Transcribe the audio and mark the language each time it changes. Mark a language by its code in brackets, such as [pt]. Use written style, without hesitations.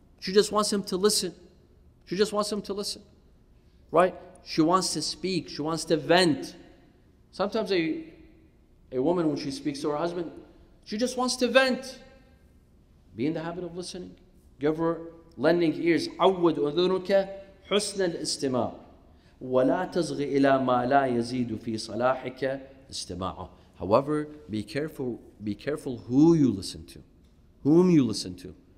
[en] She just wants him to listen. She just wants him to listen, right? She wants to speak. She wants to vent. Sometimes a woman, when she speaks to her husband, she just wants to vent. Be in the habit of listening. Give her lending ears. [ar] عود أذنك حسن الاستماع ولا تصغي إلى ما لا يزيد في صلاحك استماعه. [en] However, be careful who you listen to, whom you listen to.